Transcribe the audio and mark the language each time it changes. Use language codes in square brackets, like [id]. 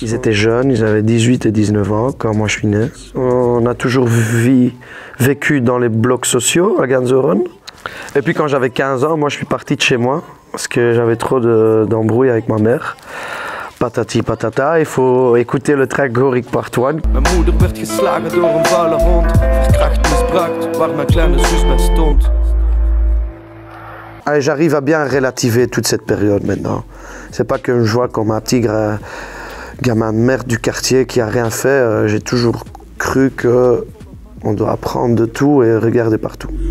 [fr] Ils étaient jeunes, ils avaient 18 et 19 ans quand moi je suis né. On a toujours vécu dans les blocs sociaux à Ganzoren. Et puis quand j'avais 15 ans, moi je suis parti de chez moi parce que j'avais trop d'embrouilles avec ma mère. Patati patata, il faut écouter le track Horik Part 1. [nl] Ma moeder werd geslagen door een vuile hond. Verkracht, misbruikt, waar mijn kleine zus met stond. [fr] Allez, j'arrive à bien relativer toute cette période maintenant. C'est pas qu'une joie comme un petit gamin de merde du quartier qui a rien fait. J'ai toujours cru que on doit apprendre de tout et regarder partout.